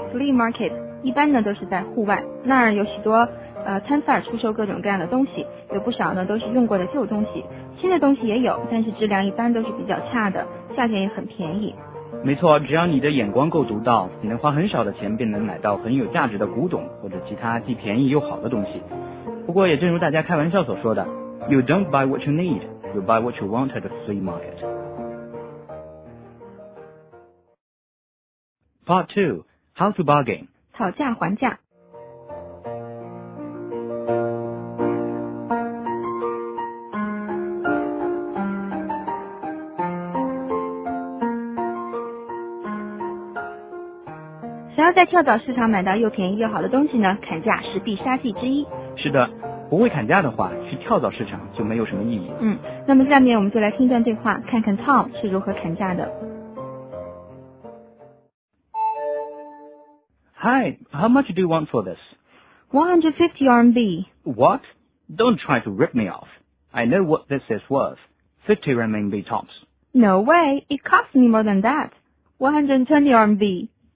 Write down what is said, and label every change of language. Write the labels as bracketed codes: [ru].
[zh] flea market 一般呢都是在户外，那儿有许多摊贩出售各种各样的东西，有不少呢都是用过的旧东西，新的东西也有，但是质量一般都是比较差的，价钱也很便宜。没错，只要你的眼光够独到，你能花很少的钱便能买到很有价值的古董或者其他既便宜又好的东西。不过也正如大家开玩笑所说的， [en] you don't buy what you need, you buy what you want at the flea market。 Part 2. How to bargain. [zh] 讨价还价。想要在跳蚤市场买到又便宜又好的东西呢，砍价是必杀技之一。是的，不会砍价的话，去跳蚤市场就没有什么意义。那么下面我们就来听段对话，看看 Tom 是如何砍价的。 [en] Hi, how much do you want for this? 150 RMB. What? Don't try to rip me off. I know what this is worth. 50 RMB tops. No way. It costs me more than that. 120 RMB.